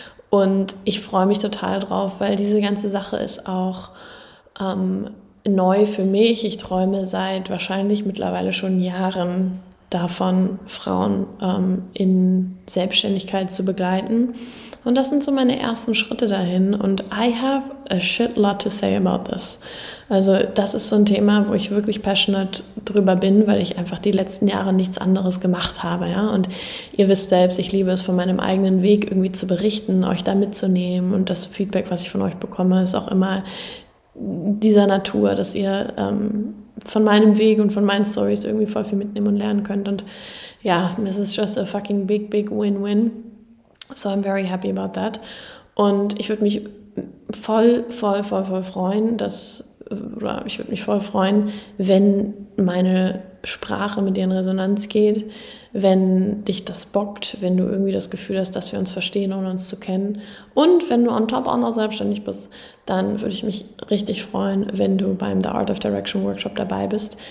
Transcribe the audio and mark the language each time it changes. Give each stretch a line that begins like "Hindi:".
German: Und ich freue mich total drauf, weil diese ganze Sache ist auch neu für mich. Ich träume seit wahrscheinlich mittlerweile schon Jahren davon, Frauen in Selbstständigkeit zu begleiten. Und das sind so meine ersten Schritte dahin.
English: Und I have a shit lot to say about this.
German: Also das ist so ein Thema, wo ich wirklich passionate drüber bin, weil ich einfach die letzten Jahre nichts anderes gemacht habe. Ja? Und ihr wisst selbst, ich liebe es, von meinem eigenen Weg irgendwie zu berichten, euch da mitzunehmen. Und das Feedback, was ich von euch bekomme, ist auch immer dieser Natur, dass ihr von meinem Weg und von meinen Stories irgendwie voll viel mitnehmen und lernen könnt.
English: Und ja, this is just a fucking big, big win-win. So I'm very happy about that.
German: Und ich würde mich voll freuen, wenn meine Sprache mit dir in Resonanz geht, wenn dich das bockt, wenn du irgendwie das Gefühl hast, dass wir uns verstehen, ohne uns zu kennen. Und wenn du on top auch noch selbstständig bist, dann würde ich mich richtig freuen, wenn du beim The Art of Direction Workshop dabei bist.